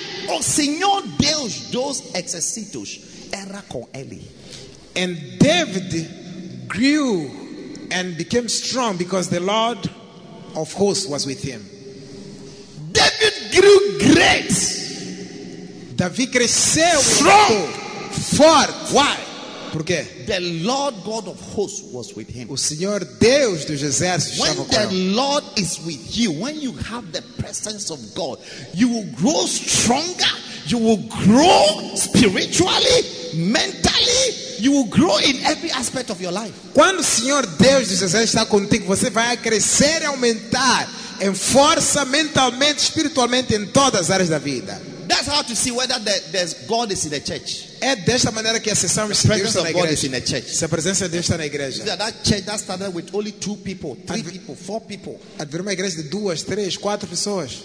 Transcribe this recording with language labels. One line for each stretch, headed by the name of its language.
Portuguese: O Senhor Deus dos exércitos era com ele.
English: And David grew and became strong because the Lord of hosts was with him. David grew great.
Portuguese: Davi cresceu
English: strong,
Portuguese: forte.
English: Why?
Portuguese: Por quê?
English: The Lord God of hosts was with him.
Portuguese: O Senhor Deus dos exércitos estava com ele.
English: When the Lord is with you, when you have the presence of God, you will grow stronger, you will grow spiritually, mentally, you will grow in every aspect of your life.
Portuguese: Quando o Senhor Deus dos exércitos está contigo, você vai crescer e aumentar em força, mentalmente, espiritualmente em todas as áreas da vida.
English: That's how to see whether there's God is in the church.
Portuguese: É desta maneira que acessamos
English: the presence of God is in the church.
Portuguese: Se a presença de Deus está na igreja.
English: That church that started with only two people, three people, four people.
Portuguese: Adver uma igreja de duas, três, quatro pessoas.